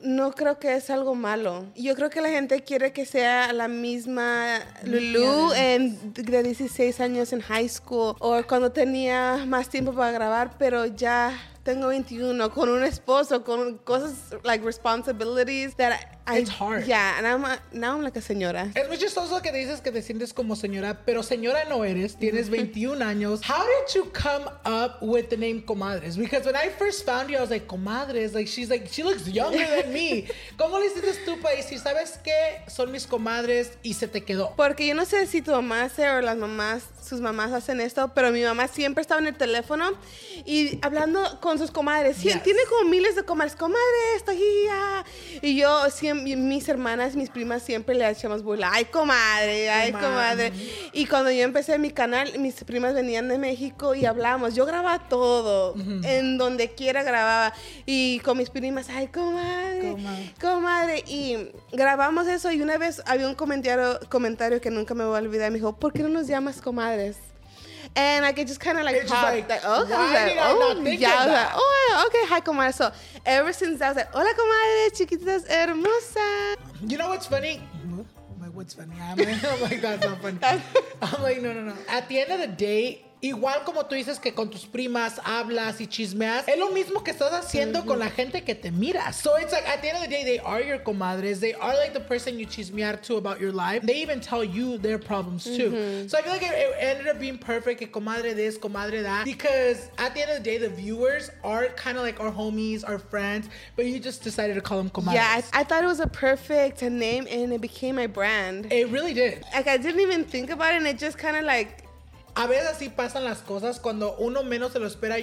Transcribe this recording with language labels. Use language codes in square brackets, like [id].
[es] No creo que es algo malo. Yo creo que la gente quiere que sea la misma Lulu de 16 años en high school o cuando tenía más tiempo para grabar, pero ya tengo 21, con un esposo, con cosas [en] like responsibilities that it's hard. Yeah, and now I'm like a señora. [es] Es muy chistoso que dices que te sientes como señora, pero señora no eres, tienes 21 años. [en] How did you come up with the name Comadres? Because when I first found you, I was like, Comadres, like, she's like, she looks younger than me. [es] ¿Cómo le dices tú para decir, sabes qué, son mis comadres y se te quedó? Porque yo no sé si tu mamá hace o las mamás, sus mamás hacen esto, pero mi mamá siempre estaba en el teléfono y hablando con sus comadres. Yes. Tiene como miles de comadres. Comadre, estoy guía. Y yo, mis hermanas, mis primas siempre le hacíamos burla. ¡Ay, comadre! ¡Ay, comadre! Y cuando yo empecé mi canal, mis primas venían de México y hablábamos. Yo grababa todo. En donde quiera grababa. Y con mis primas, ¡ay, comadre! ¡Comadre! Y grabamos eso y una vez había un comentario que nunca me voy a olvidar. Me dijo, ¿por qué no nos llamas comadres? [en] And like, it just kind of like popped. Okay, hi, comadre. So ever since that, I was like, [es] hola, comadre, chiquitas hermosa. [en] You know what's funny? What's funny? I'm like, that's not funny. I'm like, no. At the end of the day, [es] igual como tú dices que con tus primas hablas y chismeas, es lo mismo que estás haciendo con la gente que te mira. [en] So it's like, at the end of the day, they are your comadres. They are like the person you chismear to about your life. They even tell you their problems too. So I feel like it ended up being perfect, que comadre this, comadre that. Because at the end of the day, the viewers are kind of like our homies, our friends, but you just decided to call them comadres. Yeah, I thought it was a perfect name and it became my brand. It really did. Like, I didn't even think about it and it just kind of like, [es] a veces así pasan las cosas cuando uno menos se lo espera.